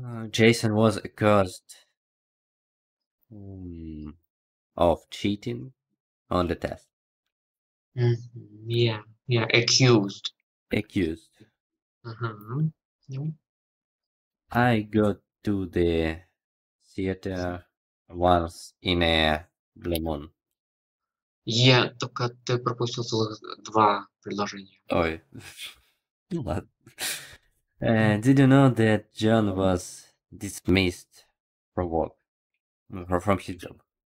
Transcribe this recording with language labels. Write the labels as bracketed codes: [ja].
[en] Jason was accused of cheating on the test. Yeah, accused. Accused. Yep. I go to the theater once in a blue moon. [ru] Я только ты пропустил целых два предложения. Ой. [en] What? Did you know that John was dismissed from work, from his job?